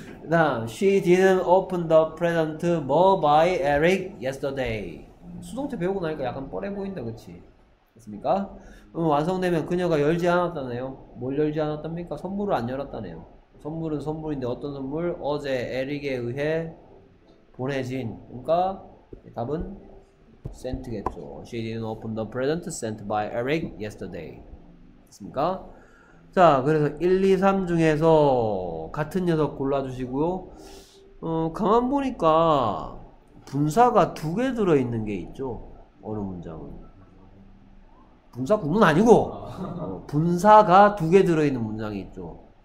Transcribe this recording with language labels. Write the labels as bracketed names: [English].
[Korean] 다음 [English] she didn't open the present more by Eric yesterday. [Korean] 수동태 배우고 나니까 약간 뻘해 보인다, 그렇지? 됐습니까? 완성되면 그녀가 열지 않았다네요. 뭘 열지 않았답니까? 선물을 안 열었다네요. 선물은 선물인데 어떤 선물? 어제 에릭에 의해 보내진. 그러니까 답은 sent겠죠. [English] She didn't open the present sent by Eric yesterday. [Korean] 됐습니까? 자, 그래서 1, 2, 3 중에서 같은 녀석 골라주시고요. 가만 보니까 분사가 두 개 들어있는 게 있죠. 어느 문장은. 분사 구문 아니고 분사가 두 개 들어있는 문장이 있죠.